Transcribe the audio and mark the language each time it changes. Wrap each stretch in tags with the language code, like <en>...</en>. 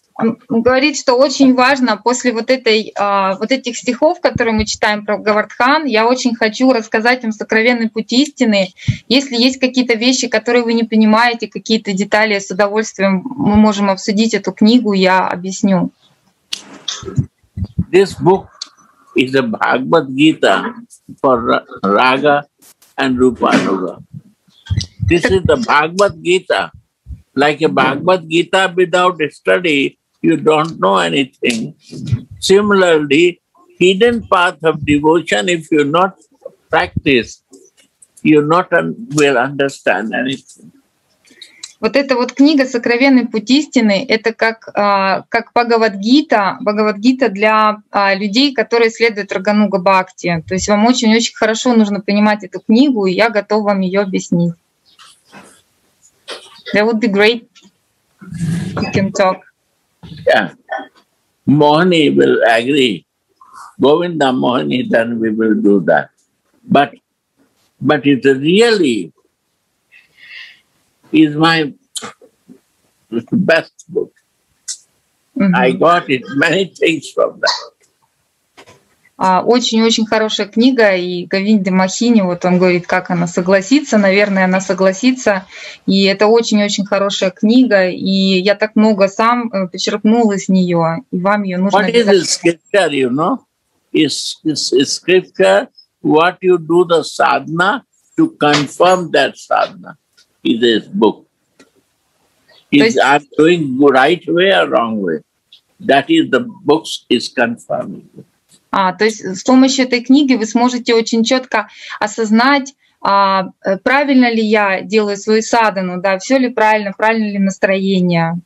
<ru>Он говорит, что очень важно после вот этой вот этих стихов, которые мы читаем про Говардхан, я очень хочу рассказать им сокровенный путь истины. Если есть какие-то вещи, которые вы не понимаете, какие-то детали, с удовольствием мы можем обсудить эту книгу, я объясню.</ru> <en>This book is a Bhagavad Gita for Raga and Rupa Anuga. This is the Bhagavad Gita, like a Bhagavad Gita without study. You don't know anything. Similarly, hidden path of devotion, if you not practice, you not will understand anything.</en> <ru>Вот эта вот книга «Сокровенный путь истины» — это как Бхагавад-гита для людей, которые следуют Рагануга Бхакти. То есть вам очень-очень хорошо нужно понимать эту книгу, и я готов вам ее объяснить.</ru> <en>That would be great. You can talk. Yeah, Mohini will agree. Govinda Mohini, then we will do that. But it really is my best book. Mm-hmm. I got it many things from that.</en> <ru>Очень-очень хорошая книга, и Говинда Мохини, вот он говорит, как она согласится, наверное, она согласится, и это очень-очень хорошая книга, и я так много сам почерпнул из нее, и вам ее нужно...</ru> <en>What is the scripture, you know? It's scripture, what you do the sadhana to confirm that sadhana in this book. Is I'm doing right way or wrong way? That is the book is confirming.</en> <ru>То есть с помощью этой книги вы сможете очень четко осознать, правильно ли я делаю свою садхану, да, все ли правильно, правильно ли настроение.</ru>